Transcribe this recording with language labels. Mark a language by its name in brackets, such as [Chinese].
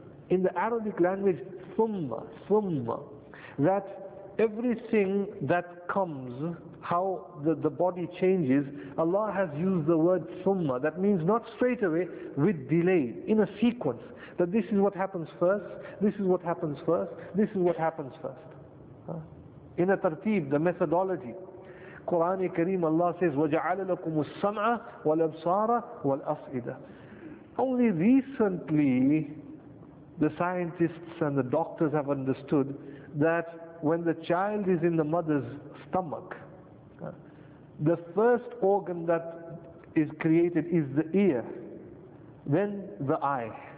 [English] In the Arabic language, ثُمَّ, that everything that comes, how the body changes, Allah has used the word ثُمَّ, that means not straight away, with delay, in a sequence, that this is what happens first, this is what happens first, this is what happens first. In a tartib, the methodology. Quran Kareem, Allah says, [Arabic] وَجَعَلَ لَكُمُ السَّمْعَ وَالْأَبْصَارَ وَالْأَفْئِدَةَ. [English] Only recently, the scientists and the doctors have understood that when the child is in the mother's stomach, the first organ that is created is the ear, then the eye.